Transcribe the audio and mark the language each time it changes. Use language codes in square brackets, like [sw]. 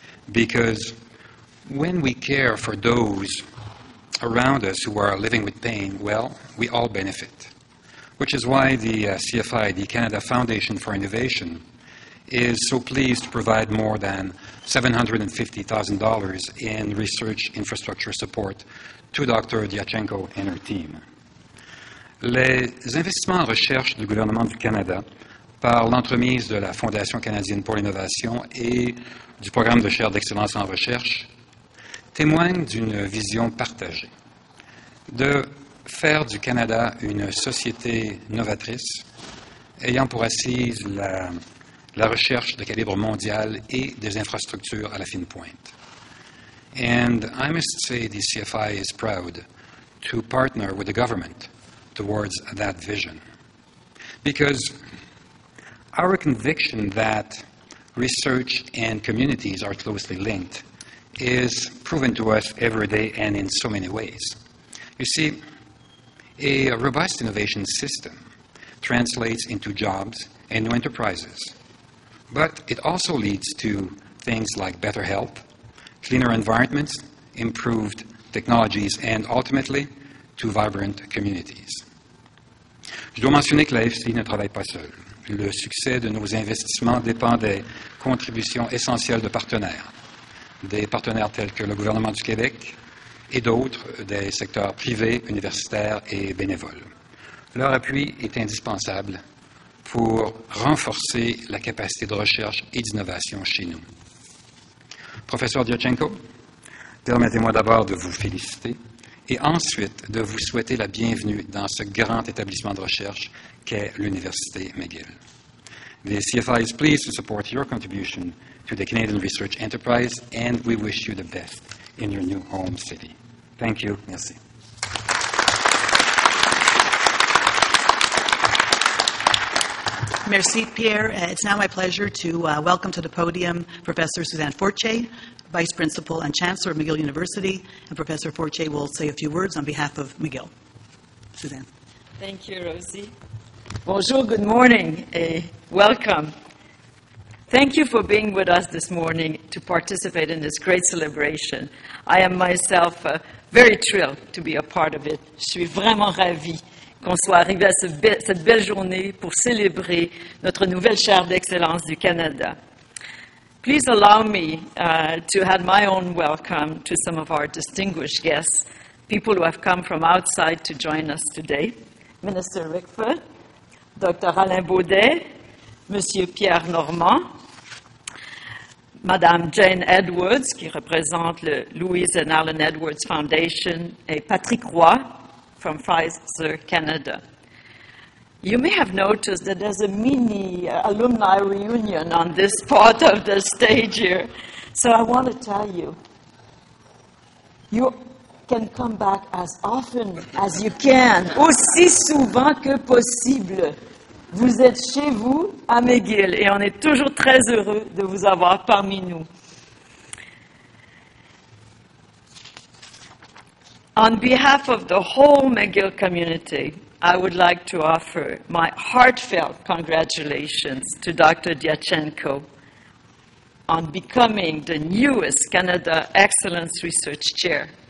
[en] Because when we care for those around us who are living with pain, well, we all benefit. Which is why the CFI, the Canada Foundation for Innovation, is so pleased to provide more than $750,000 in research infrastructure support to Dr. Diachenko and her team. [fr] Les investissements en recherche du gouvernement du Canada par l'entremise de la Fondation canadienne pour l'innovation et du programme de chaire d'excellence en recherche témoignent d'une vision partagée de faire du Canada une société novatrice, ayant pour assise la recherche de calibre mondial et des infrastructures à la fine pointe. [en] And I must say the CFI is proud to partner with the government towards that vision. Because our conviction that research and communities are closely linked is proven to us every day and in so many ways. You see, a robust innovation system translates into jobs and new enterprises, but it also leads to things like better health, cleaner environments, improved technologies, and ultimately, to vibrant communities. [fr] Je dois mentionner que l'AFC ne travaille pas seul. Le succès de nos investissements dépend des contributions essentielles de partenaires, des partenaires tels que le gouvernement du Québec et d'autres, des secteurs privés, universitaires et bénévoles. Leur appui est indispensable pour renforcer la capacité de recherche et d'innovation chez nous. Professeur Diachenko, permettez-moi d'abord de vous féliciter et ensuite de vous souhaiter la bienvenue dans ce grand établissement de recherche qu'est l'Université McGill. [en] The CFI is pleased to support your contribution to the Canadian Research Enterprise, and we wish you the best in your new home city. Thank you. [fr] Merci. Merci, Pierre. [en] It's now my pleasure to welcome to the podium Professor Suzanne Forche, Vice Principal and Chancellor of McGill University, and Professor Forche will say a few words on behalf of McGill. Suzanne. Thank you, Rosie. [fr] Bonjour, [en] good morning, welcome. Thank you for being with us this morning to participate in this great celebration. I am myself very thrilled to be a part of it. [fr] Je suis vraiment ravie qu'on soit arrivé à cette belle journée pour célébrer notre nouvelle chaire d'excellence du Canada. [en] Please allow me to add my own welcome to some of our distinguished guests, people who have come from outside to join us today. [fr] Minister Rickford, Dr. Alain Baudet, Monsieur Pierre Normand, Madame Jane Edwards, qui représente le Louise and Alan Edwards Foundation, et Patrick Roy from Pfizer Canada. [en] You may have noticed that there's a mini alumni reunion on this part of the stage here. So I want to tell you, you can come back as often as you can, [fr] aussi souvent que possible. Vous êtes chez vous à McGill et on est toujours très heureux de vous avoir parmi nous. [en] On behalf of the whole McGill community, I would like to offer my heartfelt congratulations to Dr. Diachenko on becoming the newest Canada Excellence Research Chair.